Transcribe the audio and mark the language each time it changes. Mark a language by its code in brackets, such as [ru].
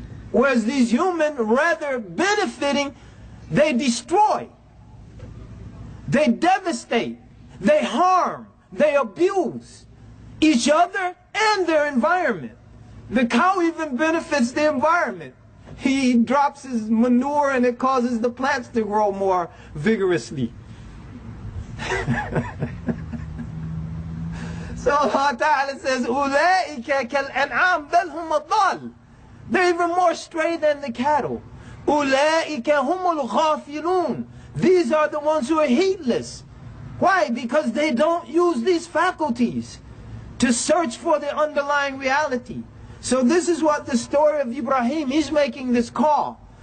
[en] Whereas these human, rather benefiting, they destroy, they devastate, they harm, they abuse each other and their environment. The cow even benefits the environment. He drops his manure and it causes the plants to grow more vigorously. So Allah Ta'ala says, [ar] أُولَٰئِكَ كَالْأَنْعَامِ بَلْ هُمْ أَضَلُّ. [en] They're even more stray than the cattle. [ar] أُولَٰئِكَ هُمُ الْغَافِلُونَ. [en] These are the ones who are heedless. Why? Because they don't use these faculties to search for the underlying reality. So this is what the story of Ibrahim, he's making this call.